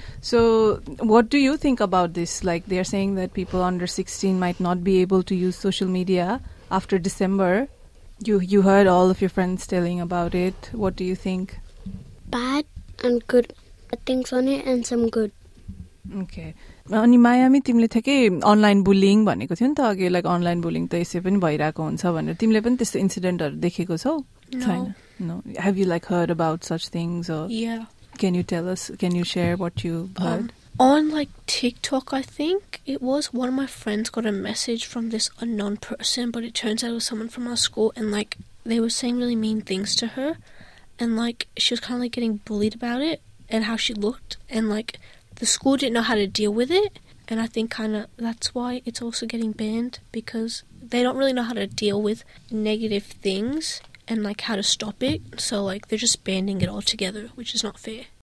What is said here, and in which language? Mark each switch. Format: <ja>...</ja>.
<en>So what do you think about this? Like, they're saying that people under 16 might not be able to use social media after December. You heard all of your friends telling about it. What do you think? Bad and good things on it and some good. Okay.</en> <ne>अनि Miami, तिमीले ठ्याक्कै online bullying भनेको थियो नि त अघि, like online bullying त यसै पनि भइरहेको हुन्छ भनेर, तिमीले पनि त्यस्तो इन्सिडेन्टहरू देखेको छौ? छैन.</ne> <en>No. Have you like heard about such things or? Yeah. Can you tell us, can you share what you heard? On like TikTok, I think it was, one of my friends got a message from this unknown person, but it turns out it was someone from our school, and like they were saying really mean things to her, and like she was kind of like getting bullied about it and how she looked, and like the school didn't know how to deal with it, and I think kind of that's why it's also getting banned, because they don't really know how to deal with negative things and like how to stop it, so like they're just banning it all together, which is not fair.</en>